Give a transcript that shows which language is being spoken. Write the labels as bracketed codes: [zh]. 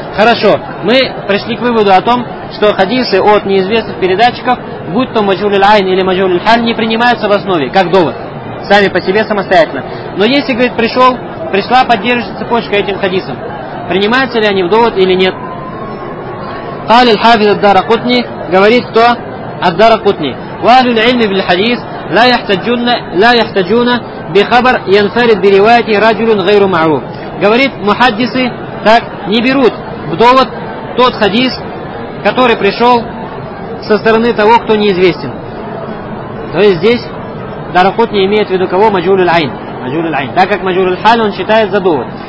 [ru] Хорошо, мы пришли к выводу о том, что хадисы от неизвестных передатчиков, будь то маджгуль аль-айн или маджгуль аль-халь, не принимаются в основе, как довод. Сами по себе самостоятельно. Но если, говорит, пришла поддерживающая цепочка этим хадисам, принимаются ли они в довод или нет? Калиль хафиз ад-Дарқутни говорит, что [ar] الدارقطني. وأهل العلم بالحديث لا يحتجون بخبر ينفرد بروايته رجل غير معروف. [ru] говорит محدثي так не берут в довод тот хадис, который пришел со стороны того, кто неизвестен. То есть здесь дарахутни имеет в виду кого? Маджуль аль-Айн. Маджуль аль-Айн. Так как Маджуль аль-Халь он считает за довод.